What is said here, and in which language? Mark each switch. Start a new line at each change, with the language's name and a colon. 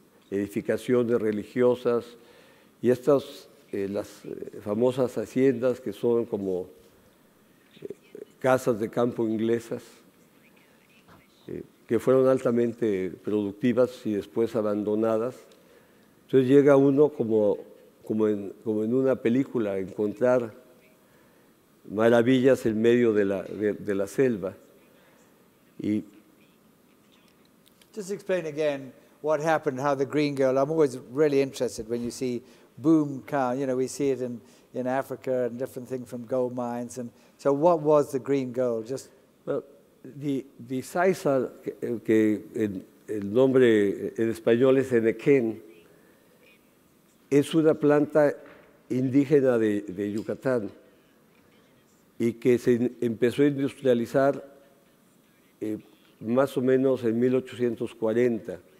Spanish: edificaciones religiosas y estas las famosas haciendas que son como casas de campo inglesas que fueron altamente productivas y después abandonadas. Entonces llega uno como en una película a encontrar maravillas en medio de la selva. Y
English: just explain again what happened, how the green girl, I'm always really interested when you see boom cow, you know, we see it in Africa and different things from gold mines. And so what was the green gold? Just
Spanish: well, the sisal, que el nombre en español es enequén, es una planta indígena de Yucatán y que se empezó a industrializar más o menos en 1840,